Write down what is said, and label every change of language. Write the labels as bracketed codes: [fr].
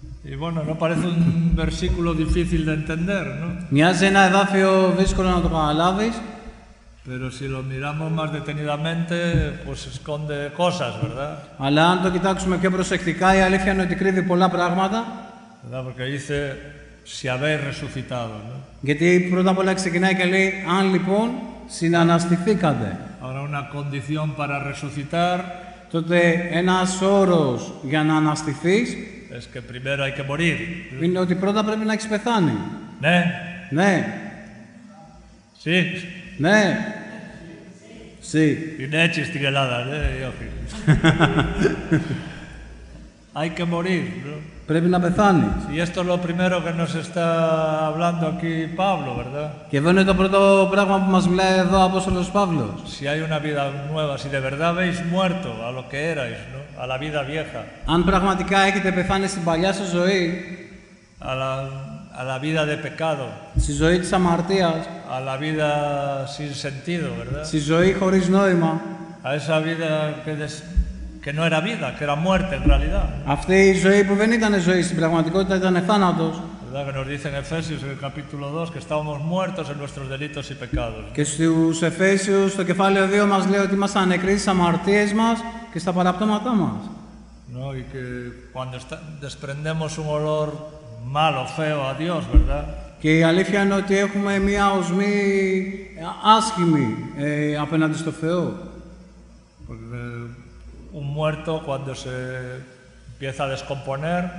[es] Y bueno, no parece un versículo difícil de entender, ¿no? [el] Μοιάζει ένα εδάφιο δύσκολο να το καταλάβεις. [es] Pero si lo miramos más detenidamente, pues esconde cosas, ¿verdad? [el] Αλλά αν το κοιτάξουμε πιο προσεκτικά, η αλήθεια είναι ότι κρύβει πολλά πράγματα. [es] ¿Verdad? Porque dice, si habéis resucitado, ¿no? [el] Γιατί πρώτα απ' όλα ξεκινάει και λέει, αν λοιπόν συναναστηθήκατε. [es] Ahora una condición para resucitar. [el] Τότε ένας όρος για να αναστηθείς. [es] Es que primero hay que morir. [el] Είναι ότι πρώτα πρέπει να έχεις πεθάνει. Ναι. Ναι. [es] Sí. [el] Ναι. Sí. Είναι έτσι στην Ελλάδα, ναι, όχι. [es] Hay que morir. [el] Πρέπει να πεθάνει. [es] Y esto es lo primero que nos está hablando aquí Pablo, ¿verdad? [el] Και εδώ είναι το πρώτο πράγμα που μας μιλάει εδώ ο Απόστολος Παύλος. [es] Si hay una vida nueva, si de verdad habéis muerto a lo que erais, ¿no? A la vida vieja. [el] Αν πραγματικά έχετε πεθάνει στην παλιά σας ζωή. [es] A la vida de pecado. [el] Στη ζωή της αμαρτίας. [es] A la vida sin sentido, ¿verdad? [el] Στη ζωή χωρίς νόημα. [es] A esa vida que que no era vida, que era muerte en realidad. [el] Αυτή η ζωή που δεν ήταν ζωή, στην πραγματικότητα ήταν θάνατος. [es] ¿Verdad? Que nos dice en Efesios, en el capítulo 2, que estábamos muertos en nuestros delitos y pecados. [el] Και στους Εφέσιους, στο κεφάλαιο 2, μας λέει ότι ήμασταν νεκροί στις αμαρτίες μας και στα παραπτώματά μας. [es] No, y que cuando desprendemos un olor malo, feo a Dios, ¿verdad? [el] Και η αλήθεια είναι ότι έχουμε μία οσμή άσχημη απέναντι στο Θεό. [es] Un muerto cuando se empieza a descomponer.